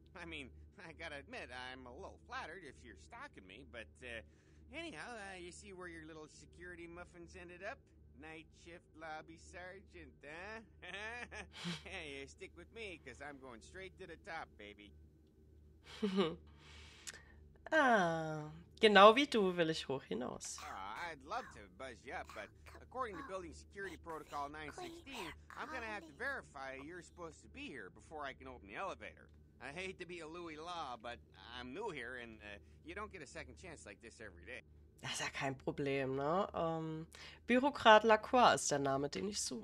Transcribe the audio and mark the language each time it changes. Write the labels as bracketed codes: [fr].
[en] I mean, I gotta admit, I'm a little flattered if you're stalking me, but anyhow, you see where your little security muffins ended up? Night shift lobby sergeant, huh? Hey, you stick with me, cause I'm going straight to the top, baby. [de] Ah, genau wie du will ich hoch hinaus. [en] I'd love to buzz you up, but according to Building Security Protocol 916, I'm gonna have to verify you're supposed to be here before I can open the elevator. I hate to be a Louis Law, but I'm new here and you don't get a second chance like this every day. [de] Das ist ja kein Problem, ne? Bürokrat Lacroix ist der Name, den ich suche.